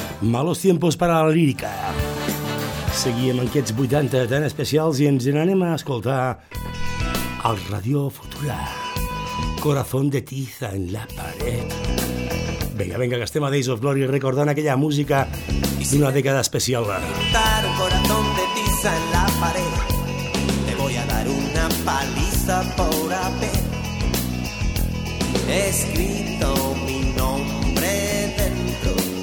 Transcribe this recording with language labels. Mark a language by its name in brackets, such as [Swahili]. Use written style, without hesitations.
[Spanish] Malos tiempos para la lírica. [Catalan] Seguim amb aquests 80 tan especials i ens n'anem a escoltar el Radio Futura. [Spanish] Corazón de tiza en la pared. [Catalan] Vinga, vinga, que estem a Days of Glory recordant aquella música d'una dècada especial. [Spanish] Pintar un corazón de tiza en la pared. Te voy a dar una paliza por haber escrito mi nombre dentro.